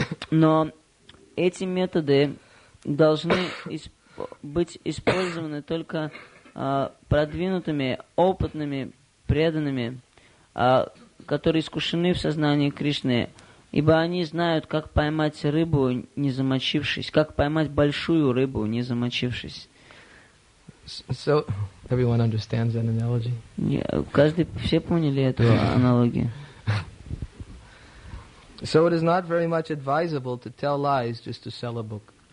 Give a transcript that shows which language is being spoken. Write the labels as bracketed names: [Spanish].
[Russian] но эти методы должны быть использованы только продвинутыми, опытными, преданными, которые искушены в сознании Кришны, ибо они знают, как поймать рыбу, не замочившись, как поймать большую рыбу, не замочившись. [English] So, everyone understands that analogy? [Russian] Все поняли эту аналогию? [English] So it is not very much advisable to tell lies just to sell a book.